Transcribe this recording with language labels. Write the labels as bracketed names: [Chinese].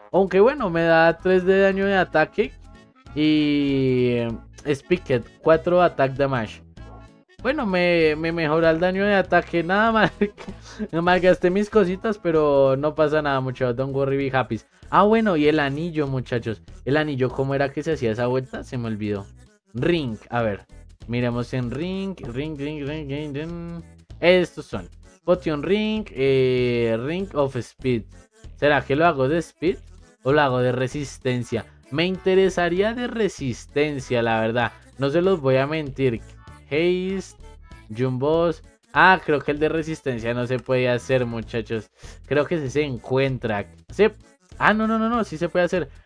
[Spanish] Aunque bueno, me da 3 de daño de ataque. Y Spiked, 4 attack damage. Bueno, me mejora el daño de ataque. Nada más. Malgasté mis cositas, pero no pasa nada, muchachos. [English] Don't worry, be happy. [Spanish] Ah, bueno, y el anillo, muchachos. El anillo, ¿cómo era que se hacía esa vuelta? Se me olvidó. Ring, a ver. Miremos en ring. Ring, ring, ring, ring, ring. Estos son. Potion Ring, Ring of Speed. ¿Será que lo hago de Speed? ¿O lo hago de resistencia? Me interesaría de resistencia, la verdad. No se los voy a mentir. Haste, Jumbos. Ah, creo que el de resistencia no se puede hacer, muchachos. Creo que se encuentra. Sí. Ah, no, no, no, no. Sí se puede hacer.